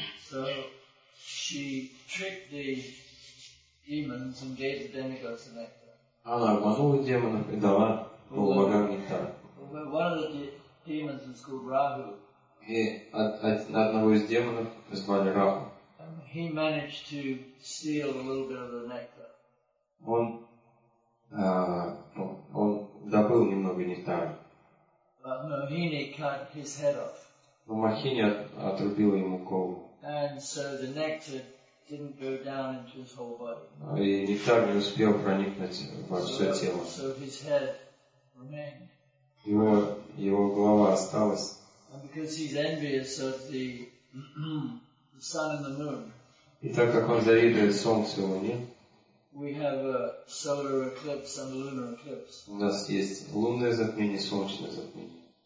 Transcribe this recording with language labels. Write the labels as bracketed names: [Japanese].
[English] So she tricked the demons and gave the demigods the nectar. [Russian] Она обманула демонов и дала полубогам нектар. [English] One of the demons is called Rahu. [Russian] И одного из демонов звали Раху. [English] He managed to steal a little bit of the nectar. [Russian] Он добыл немного нектара. [English] But Mohini cut his head off. [Russian] Но Махини отрубила ему голову. [English] And so the nectar didn't go down into his whole body. [Russian] И нектар не успел проникнуть во все тело. [English] So his head remained. [Russian] Его голова осталась. [English] Because he's envious of the sun and the moon. [Russian] И так как он завидует солнцу и луне. [English] We have a solar eclipse and a lunar eclipse. [Russian] У нас есть лунное затмение, солнечное затмение.